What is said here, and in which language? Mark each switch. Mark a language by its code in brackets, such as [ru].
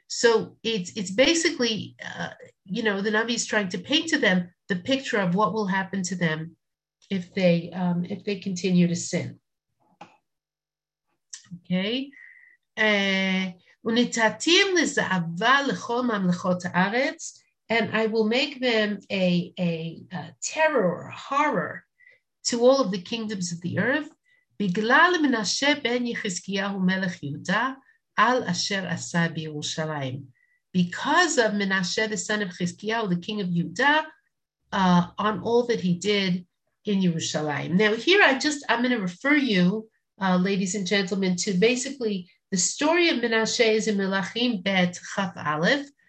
[en] So it's basically, you know, the Navi is trying to paint to them the picture of what will happen to them if they continue to sin. Okay. [he] Unitatim lezaava lechol mamlechot haaretz. [en] And I will make them a terror, a horror to all of the kingdoms of the earth. [he] בגלל מנשה בן יחזקיהו מלך יהודה על אשר עשה בירושלים. [en] Because of Menashe, the son of Chizkiyahu, the king of Judah, on all that he did in Yerushalayim. Now, here I'm going to refer you, ladies and gentlemen, to basically the story of Menashe is in Melachim Bet Chaf Aleph.